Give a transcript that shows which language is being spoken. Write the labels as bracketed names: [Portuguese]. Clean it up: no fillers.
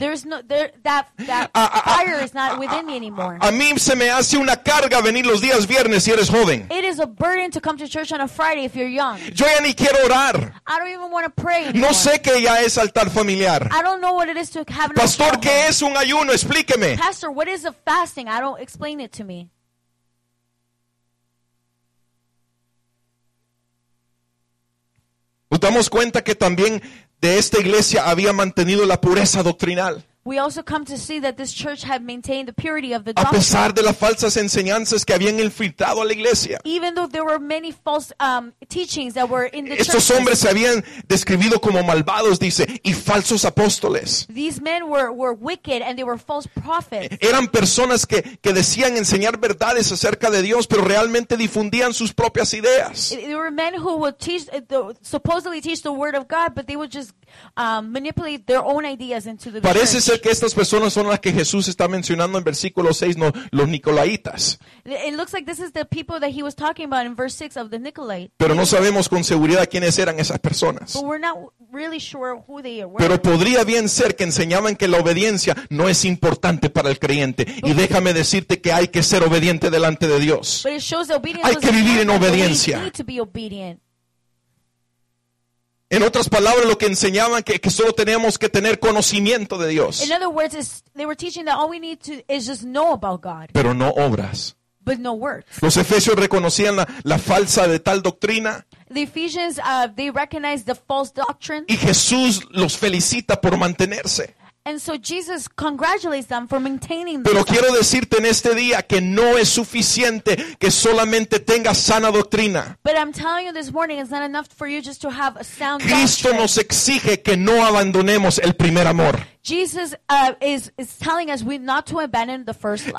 [English] There's no that fire is not within me anymore. [Spanish] A mí se me hace una carga venir los días viernes si eres joven. [English] It is a burden to come to church on a Friday if you're young. [Spanish] Yo ya ni quiero orar. [English] I don't even want to pray. [Spanish] No sé qué ya es altar familiar. [English] I don't know what it is to have [Spanish] no pastor, ¿qué es un ayuno? Explíqueme. [English] Pastor, what is a fasting? I don't explain it to me. [Spanish] Nos damos cuenta que también de esta iglesia había mantenido la pureza doctrinal. [English] We also come to see that this church had maintained the purity of the doctrine. [Spanish] A pesar de las falsas enseñanzas que habían infiltrado a la iglesia. [English] Even though there were many false teachings that were in the church. [Spanish] Estos hombres se habían descrito como malvados, dice, y falsos apóstoles. [English] These men were wicked and they were false prophets. [Spanish] Eran personas que decían enseñar verdades acerca de Dios, pero realmente difundían sus propias ideas. [English] There were men who would supposedly teach the word of God, but they would just manipulate their own ideas into the [Spanish] Parece [English] church. [Spanish] Ser que estas personas son las que Jesús está mencionando en versículo 6, no, los Nicolaitas. [English] It looks like this is the people that he was talking about in verse 6 of the Nicolaitas. [Spanish] Pero no sabemos con seguridad quiénes eran esas personas. [English] But we're not really sure who they were. [Spanish] Pero podría bien ser que enseñaban que la obediencia no es importante para el creyente. Y déjame decirte que hay que ser obediente delante de Dios. [English] But it shows obedience. [Spanish] Hay que vivir en obediencia. [English] We need to be obedient. [Spanish] En otras palabras, lo que enseñaban que solo teníamos que tener conocimiento de Dios. [English] In other words, they were teaching that all we need to is just know about God. [Spanish] Pero no obras. [English] But no works. [Spanish] Los Efesios reconocían la falsa de tal doctrina. [English] The Ephesians, they recognized the false doctrine. [Spanish] Y Jesús los felicita por mantenerse. [English] And so Jesus congratulates them for maintaining. [Spanish] Pero quiero decirte en este día que no es suficiente que solamente tengas sana doctrina. [English] But I'm telling you this morning, it's not enough for you just to have a sound [Spanish] Cristo [English] doctrine. [Spanish] Nos exige que no abandonemos el primer amor. [English] Jesus is telling us we not to abandon the first love.